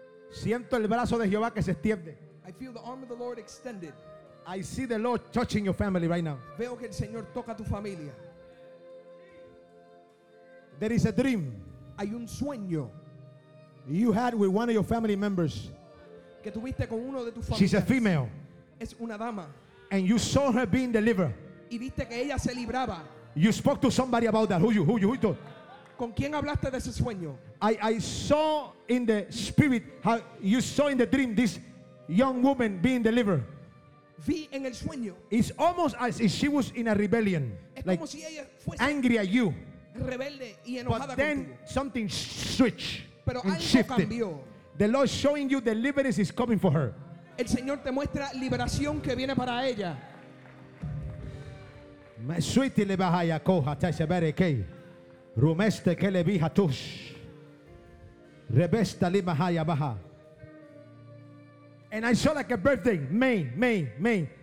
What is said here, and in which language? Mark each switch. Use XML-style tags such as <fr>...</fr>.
<es>Siento el brazo de Jehová que se extiende.</es> <en>I feel the arm of the Lord extended. I see the Lord touching your family right now.</en> <es>Veo que el Señor toca tu familia.</es> <en>There is a dream.</en> <es>Hay un sueño.</es> <en>You had with one of your family members.</en> <es>Que tuviste con uno de tus familiares.</es> <en>She's a female.</en> <es>Es una dama.</es> <en>And you saw her being delivered.</en> <es>Y viste que ella se libraba.</es> <en>You spoke to somebody about that. Who you?</en> <es>¿Con quién hablaste de ese sueño?</es> <en>I saw in the spirit how you saw in the dream this young woman being delivered.</en> <es>Vi en el sueño.</es> <en>It's almost as if she was in a rebellion.</en> <es>Es</es> <en>like</en> <es>como si ella fuese</es> <en>angry at you.</en> <es>Rebelde y enojada contigo.</es> <en>But then something switched.</en> <es>Pero algo</es> <en>shifted.</en> <es>Cambió.</es> <en>The Lord showing you deliverance is coming for her.</en> <es>El Señor te muestra liberación que viene para ella.</es> <en>And I saw like a birthday, May.</en>